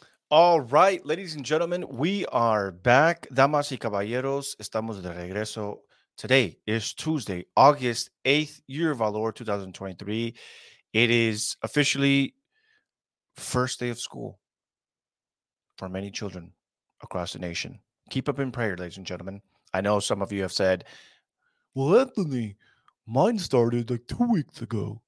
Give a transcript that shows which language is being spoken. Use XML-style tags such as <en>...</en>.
<en>All right, ladies and gentlemen, we are back.</en> <es>Damas y caballeros, estamos de regreso.</es> <en>Today is Tuesday, August 8th, year of our Lord, 2023. It is officially first day of school for many children across the nation. Keep up in prayer, ladies and gentlemen. I know some of you have said, well, Anthony, mine started like 2 weeks ago.</en>